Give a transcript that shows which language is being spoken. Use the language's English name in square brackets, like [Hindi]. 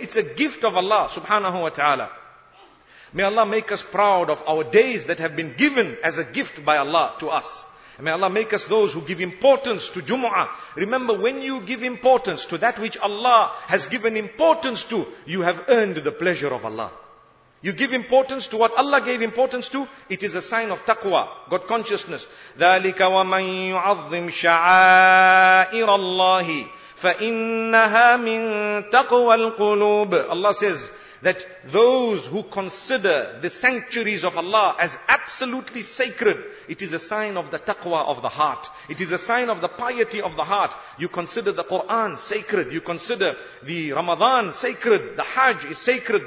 [English] It's a gift of Allah subhanahu wa ta'ala. May Allah make us proud of our days that have been given as a gift by Allah to us. May Allah make us those who give importance to Jumu'ah. Remember, when you give importance to that which Allah has given importance to, you have earned the pleasure of Allah. You give importance to what Allah gave importance to, it is a sign of taqwa, God consciousness. [Arabic] ذَلِكَ وَمَنْ يُعَظِّمْ شَعَائِرَ اللَّهِ فَإِنَّهَا مِنْ تَقْوَى الْقُلُوبِ. [English] Allah says, that those who consider the sanctuaries of Allah as absolutely sacred, it is a sign of the taqwa of the heart. It is a sign of the piety of the heart. You consider the Quran sacred. You consider the Ramadan sacred. The Hajj is sacred.